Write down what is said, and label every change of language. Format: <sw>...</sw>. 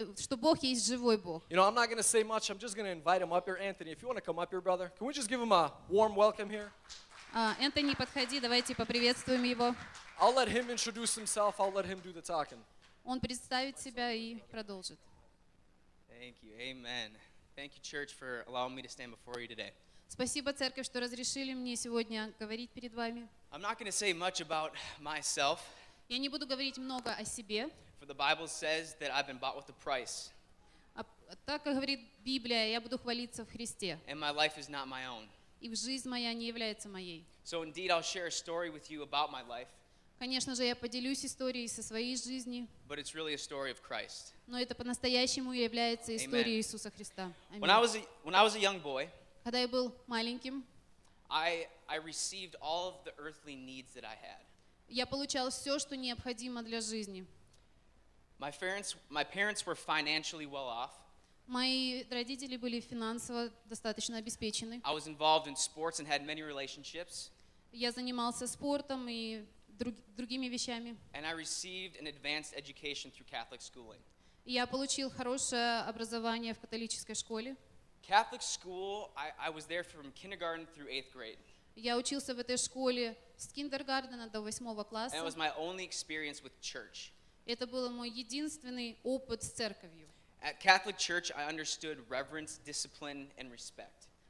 <en>You know, I'm not going to say much. I'm just going to invite him up here. Anthony, if you want to come up here, brother, can we just give him a warm welcome here?</en> <ru>Энтони, подходи, давайте поприветствуем его.</ru> <en>I'll let him introduce himself, I'll let him do the talking.</en> <ru>Он представит себя и продолжит.</ru> <en>Thank you, amen. Thank you, church, for allowing me to stand before you today.</en> <ru>Спасибо, церковь, что разрешили мне сегодня говорить перед вами.</ru> <en>I'm not going to say much about myself.</en> <ru>Я не буду говорить много о себе.</ru> <en>For the Bible says that I've been bought with a price.</en> <ru>Так как говорит Библия, я буду хвалиться в Христе.</ru> <en>And my life is not my own.</en> <ru>И жизнь моя не является моей.</ru> <en>So indeed, I'll share a story with you about my life.</en> <ru>Конечно же, я поделюсь историей со своей жизни.</ru> <en>But it's really a story of Christ.</en> <ru>Но это по-настоящему является историей Иисуса Христа.</ru> <en>Amen. When I was a young boy,</en> <ru>когда я был маленьким,</ru> <en>I received all of the earthly needs that I had.</en> <ru>Я получал все, что необходимо для жизни.</ru> <en>My parents were financially well off.</en> <ru>Мои родители были финансово достаточно обеспечены.</ru> <en>I was involved in sports and had many relationships.</en> <ru>Я занимался спортом и другими вещами.</ru> <en>And I received an advanced education through Catholic schooling.</en> <ru>Я получил хорошее образование в католической школе.</ru> <en>Catholic school, I was there from kindergarten through eighth grade.</en> <ru>Я учился в этой школе с kindergarten до восьмого класса.</ru> <en>And it was my only experience with church.</en> <ru>Это был мой единственный опыт с церковью.</ru> <en>At Catholic Church, I understood reverence, discipline, and respect.</en>